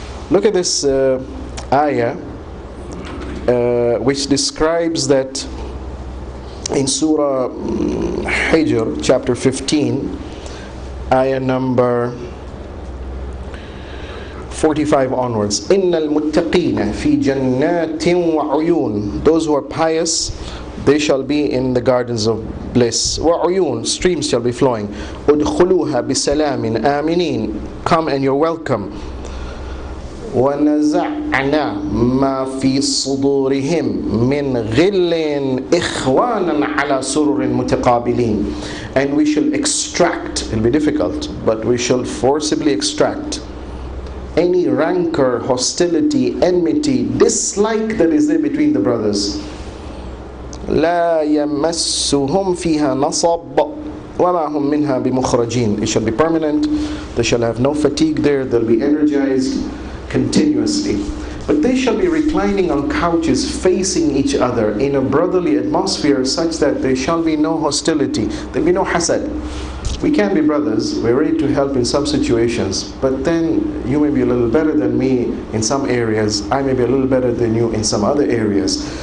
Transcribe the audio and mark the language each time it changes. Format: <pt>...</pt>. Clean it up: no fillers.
<en>Look at this ayah, which describes that in Surah Hijr, chapter 15, ayah number 45 onwards.</en> <ar>إِنَّ الْمُتَّقِينَ فِي جَنَّاتٍ وَعُيُونَ.</ar> <en>Those who are pious, they shall be in the gardens of bliss. وعيون, streams shall be flowing.</en> <ar>ادخلوها بسلام آمنين.</ar> <en>Come and you're welcome.</en> <ar>ونزعنا ما في صدورهم من غل إخوانا على سرر متقابلين.</ar> <en>And we shall extract, it'll be difficult, but we shall forcibly extract any rancor, hostility, enmity, dislike that is there between the brothers.</en> <ar>لا يمسهم فيها نصب وما هم منها بمخرجين.</ar> <en>It shall be permanent, they shall have no fatigue there, they'll be energized continuously. But they shall be reclining on couches facing each other in a brotherly atmosphere such that there shall be no hostility, there'll be no hasad. We can be brothers, we're ready to help in some situations, but then you may be a little better than me in some areas, I may be a little better than you in some other areas.</en>